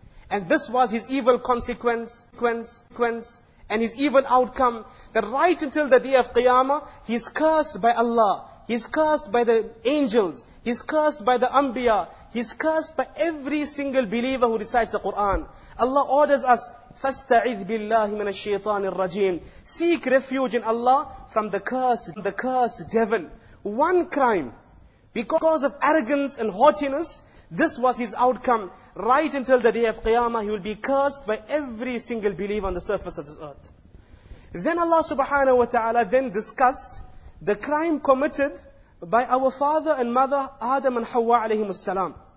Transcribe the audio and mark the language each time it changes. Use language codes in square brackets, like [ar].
[en] And this was his evil consequence, and his evil outcome, that right until the day of Qiyamah, he's cursed by Allah, he's cursed by the angels, he's cursed by the Anbiya, he's cursed by every single believer who recites the Quran. Allah orders us, [ar] فَاسْتَعِذْ بِاللَّهِ مِنَ الشَّيْطَانِ الرَّجِيمِ. [en] Seek refuge in Allah from the cursed devil. One crime, because of arrogance and haughtiness, this was his outcome. Right until the day of Qiyamah, he will be cursed by every single believer on the surface of this earth. Then Allah subhanahu wa ta'ala then discussed the crime committed by our father and mother, Adam and Hawa alayhim as-salam.